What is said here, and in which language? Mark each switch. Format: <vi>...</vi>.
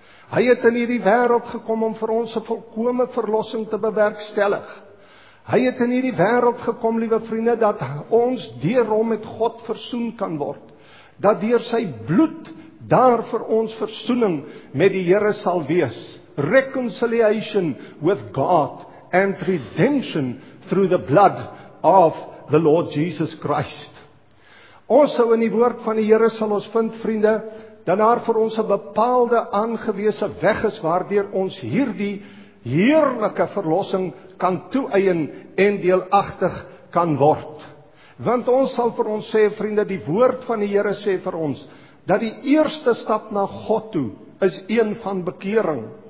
<af>Hy het in hierdie wêreld gekom om vir ons 'n volkome verlossing te bewerkstellig. Hy het in hierdie wêreld gekom, liewe vriende, dat ons deur hom met God versoen kan word. dat deur sy bloed daar vir ons versoening met die Here sal wees.</af> <en>Reconciliation with God and redemption through the blood of the Lord Jesus Christ.</en> <af>Ons sou in die woord van die Here sal ons vind, vriende, dat daar vir ons 'n bepaalde aangewese weg is waardeur ons hierdie heerlike verlossing kan toeëien en deelagtig kan word. Want ons sal vir ons sê, vriende, die woord van die Here sê vir ons, dat die eerste stap na God toe is een van bekering.</af>